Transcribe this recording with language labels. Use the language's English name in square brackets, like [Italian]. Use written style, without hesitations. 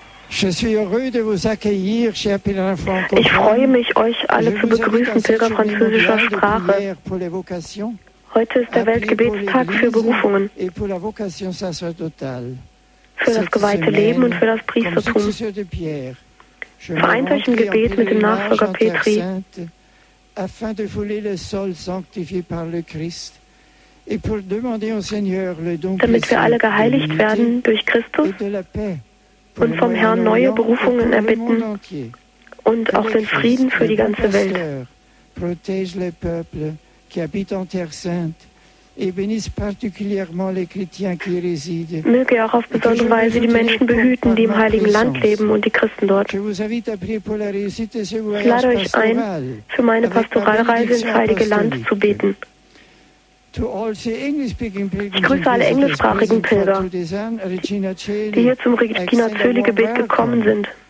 [French] Je suis heureux de vous accueillir, cher Pilgrim Franco. [German] Ich freue mich, euch alle zu begrüßen, Pilger französischer Sprache. Heute ist der Weltgebetstag für Berufungen. Für das geweihte Leben und für das Priestertum. Vereint euch im Gebet mit dem Nachfolger Petri. [French] Afin de fouler le sol sanctifié par le Christ. Et pour demander au Seigneur le don [German] damit wir alle geheiligt werden durch Christus und vom Herrn neue Berufungen erbitten und auch den Frieden für die ganze Welt. [French] Protège le peuple qui habite en Terre Sainte et bénisse particulièrement les chrétiens qui résident. [German] Möge auch auf besondere Weise die Menschen behüten, die im Heiligen Land leben und die Christen dort. Ich lade euch ein, für meine Pastoralreise ins Heilige Land zu beten. Ich grüße alle englischsprachigen Pilger, die hier zum Regina-Zöli-Gebet gekommen sind.